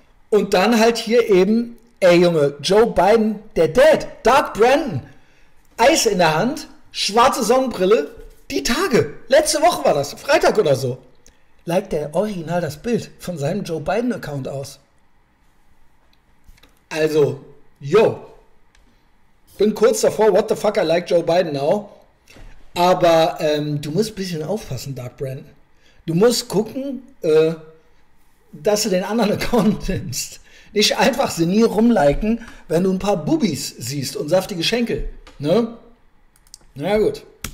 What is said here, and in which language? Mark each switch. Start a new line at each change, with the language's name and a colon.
German: Und dann halt hier eben, ey Junge, Joe Biden, der Dad, Doug Brandon, Eis in der Hand, schwarze Sonnenbrille, die Tage, letzte Woche war das, Freitag oder so, liked der original das Bild von seinem Joe Biden-Account aus. Also, yo, bin kurz davor,
English: what the fuck, I like Joe Biden now.
German: Aber du musst ein bisschen aufpassen, Doug Brandon. Du musst gucken, dass du den anderen Account nimmst. Nicht einfach senil rumliken, wenn du ein paar Bubis siehst und saftige Schenkel. Ne? Na gut.